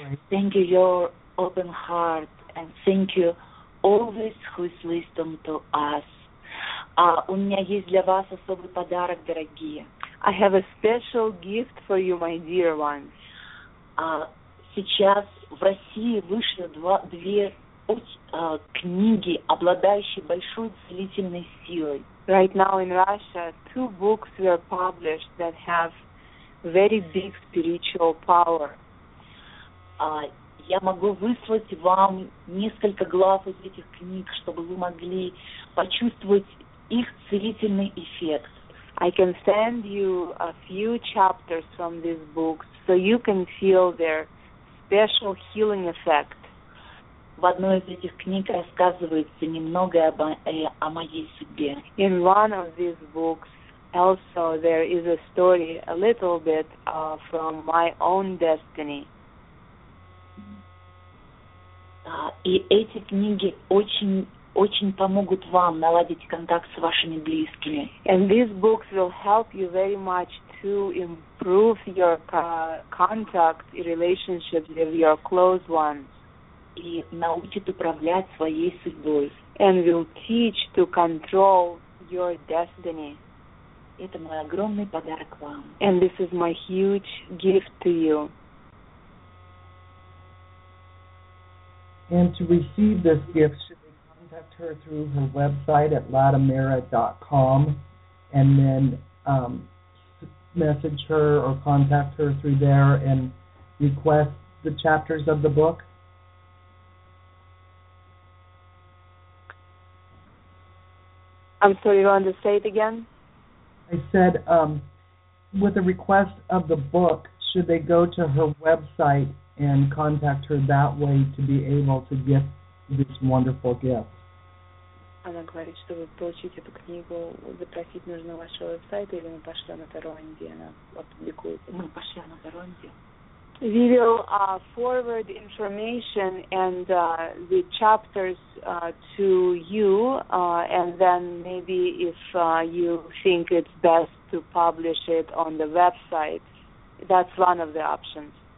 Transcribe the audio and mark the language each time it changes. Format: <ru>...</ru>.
<en>Thank you, your open heart, and thank you always who is listening to us.</en> <ru>У меня есть для вас особый подарок, дорогие.</ru> <en>I have a special gift for you, my dear ones.</en> <ru>Сейчас в России вышли две книги, обладающие большой целительной силой.</ru> <en>Right now in Russia, two books were published that have very big spiritual power.</en> <ru>Я могу выслать вам несколько глав из этих книг, чтобы вы могли почувствовать их целительный эффект.</ru> <en>I can send you a few chapters from these books so you can feel their special healing effect.</en> <ru>В одной из этих книг рассказывается немного о моей судьбе.</ru> <en>In one of these books also there is a story a little bit from my own destiny.</en> <ru>И эти книги очень помогут вам наладить контакт с вашими близкими.</ru> <en>And these books will help you very much to improve your contact and relationships with your close ones.</en> <ru>И научит управлять своей судьбой.</ru> <en>And will teach to control your destiny.</en> <ru>Это мой огромный подарок вам.</ru> <en>And this is my huge gift to you. And to receive this gift, should they contact her through her website at latamera.com and then message her or contact her through there and request the chapters of the book? I'm sorry, you want to say it again? I said, with a request of the book, should they go to her website and contact her that way to be able to get this wonderful gift.</en> <ru>Она говорит, чтобы получить эту книгу, запросить нужно ваш веб-сайт или мы пошли на Торонто, где она опубликует. Мы пошли на Торонто.</ru> <en>We will forward information and the chapters to you, and then maybe if you think it's best to publish it on the website, that's one of the options.</en>